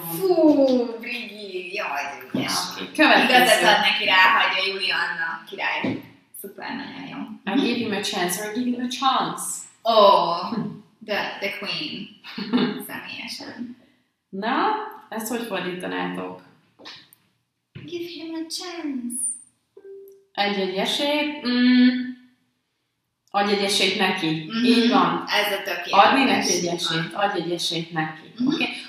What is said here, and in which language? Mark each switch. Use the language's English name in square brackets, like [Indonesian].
[Hungarian] Fú, Brigi, jaj, igazat ad neki, ráhagyja Julianna, király. Szuper, nagyon jó. [English] I'll give him a chance, or I'll give him a chance. Oh, the queen. [Hungarian] Személyesen. Na, ezt hogy fordítanátok? [English] Give him a chance. [Hungarian] Egy-egy esély. Adj egy esélyt neki. Uh-huh. Így van. Ez a tökéletes. Adni neki egy esélyt. Adj egy esélyt neki. Uh-huh. Okay.